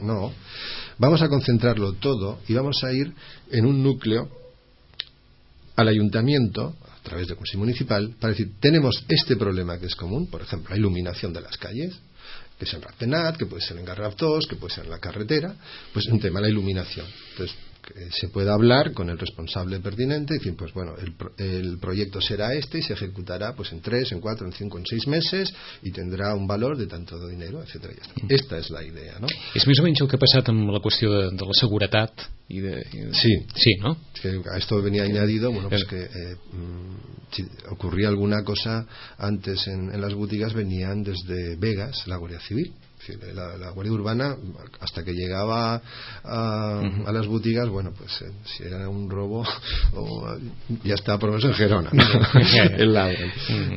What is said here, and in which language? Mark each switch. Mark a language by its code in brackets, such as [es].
[es] No, vamos a concentrarlo todo y vamos a ir en un núcleo al ayuntamiento, a través del Consejo Municipal, para decir, tenemos este problema que es común, por ejemplo, la iluminación de las calles, que es en Ratpenat, que puede ser en Garraf 2, que puede ser en la carretera, pues un tema de la iluminación. Entonces, se puede hablar con el responsable pertinente, decir, pues bueno, el proyecto será este y se ejecutará pues en 3, en 4, en 5, en 6 meses y tendrá un valor de tanto de dinero, etcétera, ya está. Esta es la idea, ¿no? [ca] És més o menys el que ha passat amb la qüestió de la seguretat i de... Sí. Sí, ¿no? [es] Que a esto venía añadido, bueno, pues que si ocurría alguna cosa antes en las boutiques, venían desde Vegas, la Guardia Civil. La Guardia Urbana, hasta que llegaba a las boutiques, bueno, pues si era un robo, ya estaba por lo menos en Gerona, ¿no? El ladrón.